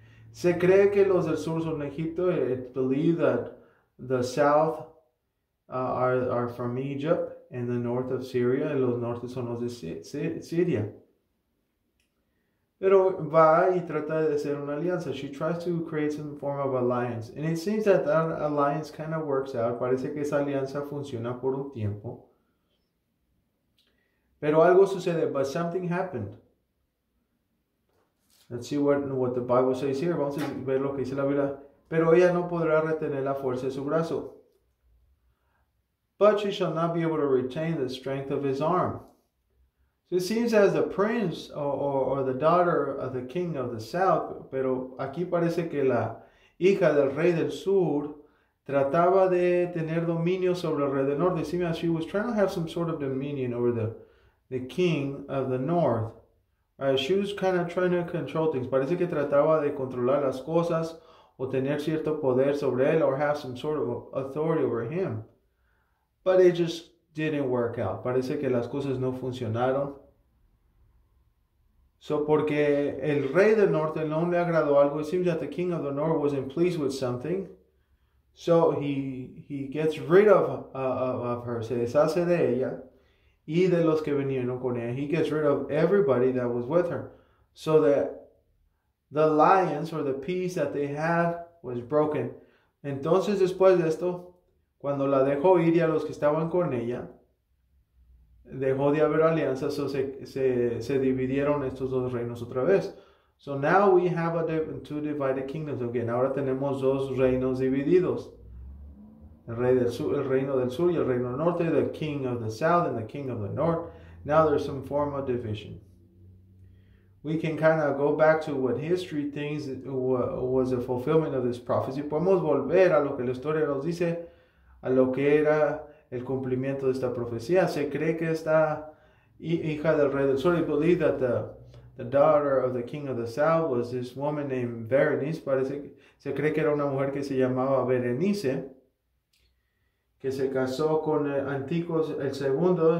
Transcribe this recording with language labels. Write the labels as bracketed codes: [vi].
[es] Se cree que los del sur son Egipto. [en] It's believed that the south are from Egypt and the north of Syria, [es] y los norte son los de Siria. Pero va y trata de hacer una alianza. [en] She tries to create some form of alliance. And it seems that that alliance kind of works out. [es] Parece que esa alianza funciona por un tiempo. Pero algo sucede, [en] but something happened. Let's see what the Bible says here. [es] Vamos a ver lo que dice la Biblia. Pero ella no podrá retener la fuerza de su brazo. [en] But she shall not be able to retain the strength of his arm. So it seems as the prince or the daughter of the king of the south, [es] pero aquí parece que la hija del rey del sur trataba de tener dominio sobre el rey del norte. [en] It seems as she was trying to have some sort of dominion over the king of the north. She was kind of trying to control things. [es] Parece que trataba de controlar las cosas o tener cierto poder sobre él [en] or have some sort of authority over him. But it just didn't work out. [es] Parece que las cosas no funcionaron. So, porque el rey del norte no le agradó algo. [en] It seems that the king of the north wasn't pleased with something. So, he gets rid of her. [es] Se deshace de ella. Y de los que vinieron con ella. [en] He gets rid of everybody that was with her. So that the alliance or the peace that they had was broken. [es] Entonces después de esto, cuando la dejó ir y a los que estaban con ella, dejó de haber alianzas, so se dividieron estos dos reinos otra vez. [en] So now we have two divided kingdoms again. [es] Ahora tenemos dos reinos divididos. El rey del sur, el reino del sur y el reino del norte, [en] the king of the south and the king of the north. Now there's some form of division. We can kind of go back to what history thinks was a fulfillment of this prophecy. [es] Podemos volver a lo que la historia nos dice, a lo que era el cumplimiento de esta profecía. Se cree que esta hija del rey del sur, y [en] believe that the daughter of the king of the south was this woman named Berenice. [es] Parece que se cree que era una mujer que se llamaba Berenice, que se casó con Antíoco el segundo.